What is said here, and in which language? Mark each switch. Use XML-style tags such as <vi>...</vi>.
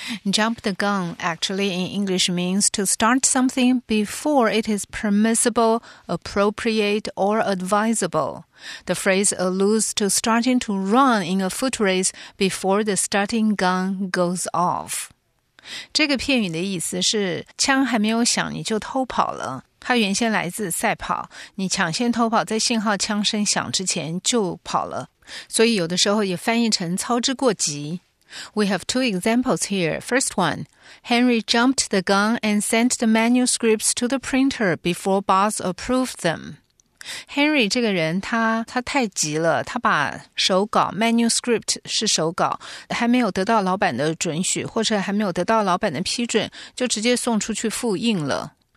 <en>Jump the gun actually in English means to start something before it is permissible, appropriate, or advisable. The phrase alludes to starting to run in a foot race before the starting gun goes off.</en> <zh>这个片语的意思是枪还没有响你就偷跑了。它原先来自赛跑，你抢先偷跑，在信号枪声响之前就跑了。所以有的时候也翻译成操之过急。</zh> <en>We have two examples here. First one, Henry jumped the gun and sent the manuscripts to the printer before boss approved them.</en> <zh>Henry 这个人他太急了，他把手稿 manuscript 是手稿还没有得到老板的准许或者还没有得到老板的批准就直接送出去复印了。</zh>